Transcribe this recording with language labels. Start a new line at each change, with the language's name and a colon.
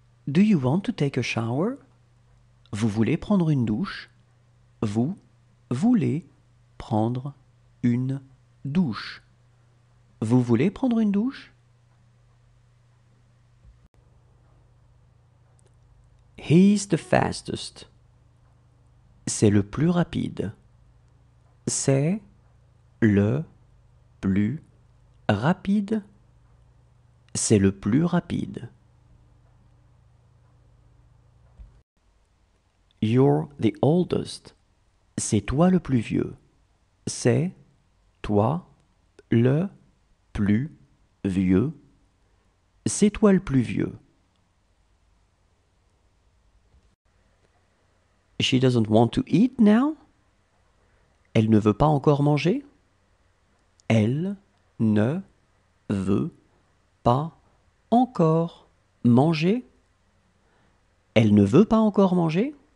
English: Do you want to take a shower?
French: Vous voulez prendre une douche? Vous voulez prendre une douche? Vous voulez prendre une douche?
English: He's the fastest.
French: C'est le plus rapide. C'est le plus rapide. C'est le plus rapide.
English: You're the oldest.
French: C'est toi le plus vieux. C'est toi le plus vieux. C'est toi le plus vieux.
English: She doesn't want to eat now.
French: Elle ne veut pas encore manger. Elle ne veut pas encore manger. Elle ne veut pas encore manger.